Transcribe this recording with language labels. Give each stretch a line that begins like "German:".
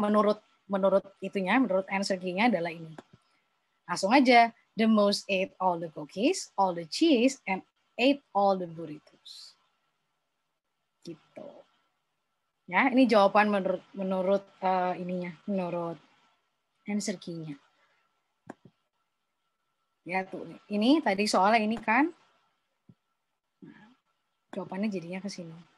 Indonesian: Menurut answer Kiki-nya adalah ini. Langsung aja.
English: The mouse ate all the cookies, all the cheese, and ate all the burritos.
Indonesian: Gitu. Ya, ini jawaban menurut answer key-nya. Ya, tuh. Ini tadi soalnya ini kan. Jawabannya jadinya ke sini.